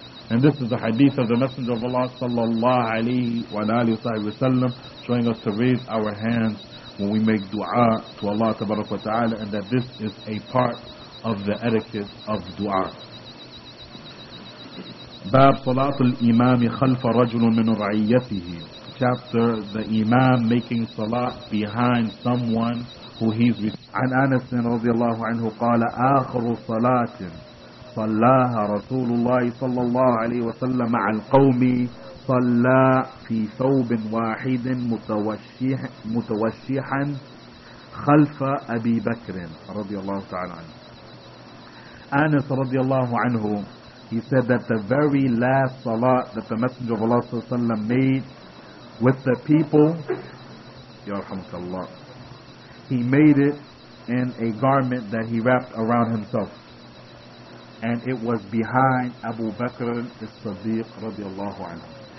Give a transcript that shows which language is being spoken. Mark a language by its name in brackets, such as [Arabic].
[English] And this is the hadith of the Messenger of Allah sallallahu alayhi wa alihi wa sallam, showing us to raise our hands when we make dua to Allah tabarak wa ta'ala, and that this is a part of the etiquette of dua. [Arabic] Bab Salatul Imam Khalfa Rajulun Min Ra'iyatihi. [English] Chapter, the Imam making Salah behind someone who he's with. [Arabic] عن أنس رضي الله عنه قال آخر صلاة صلاها رسول الله صلى الله عليه وسلم مع القوم صلى في ثوب واحد متوشحا خلف أبي بكر رضي الله تعالى عنه. [English] أنس [Arabic] رضي الله عنه, [English] he said that the very last salah that the Messenger of Allah [Arabic] صلى الله عليه وسلم [English] made with the people, [Arabic] يرحمك الله, [English] he made it in a garment that he wrapped around himself, and it was behind Abu Bakr as-Siddiq radiallahu anhu.